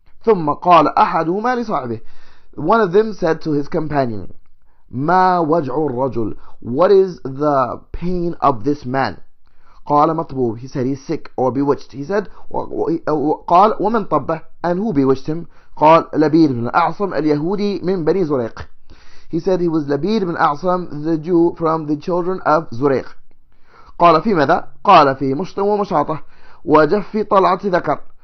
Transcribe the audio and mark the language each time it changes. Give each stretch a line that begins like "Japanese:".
Arabic: ثم قال أحدهما لصاحبه,
English: one of them said to his companion,
Arabic: ما وجع الرجل,
English: what is the pain of this man?
Arabic: قال مطبوب,
English: he said he's sick or bewitched. He said,
Arabic: قال ومن طبه,
English: and who bewitched him?
Arabic: قال لبيد بن أعصم اليهودي من بني زريق.
English: He said he was Labid ibn A'sam, the Jew from the children of Zuriq.
Arabic: قال في ماذا؟ قال في مشطم ومشاطة وجف طلعة ذكر.